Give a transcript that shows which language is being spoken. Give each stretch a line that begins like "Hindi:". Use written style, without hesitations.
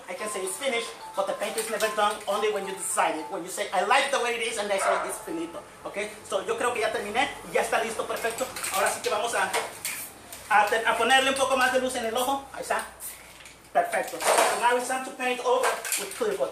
English: I can say it's finished, but the painting is never done. Only when you decide it, when you say I like the way it is, and I say it's finito.
Spanish: Okay? So yo creo que ya terminé. Ya está listo, perfecto. Ahora sí que vamos a ponerle un poco más de luz en el ojo. Ahí está. Perfecto.
English: So now it's time to paint over with clear coat.